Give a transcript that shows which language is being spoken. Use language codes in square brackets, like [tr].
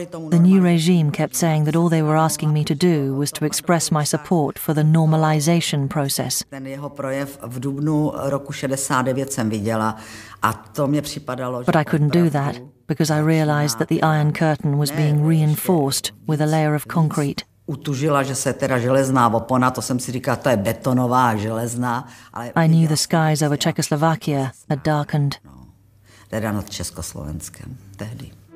[en] The new regime kept saying that all they were asking me to do was to express my support for the normalization process. But I couldn't do that because I realized that the Iron Curtain was being reinforced with a layer of concrete. [cs] Utužila, že se teda železná opona, to jsem si říkala, to je betonová železná. [en] Ale I knew the skies over Czechoslovakia had darkened. No, [cs] teda nad Československem, tehdy.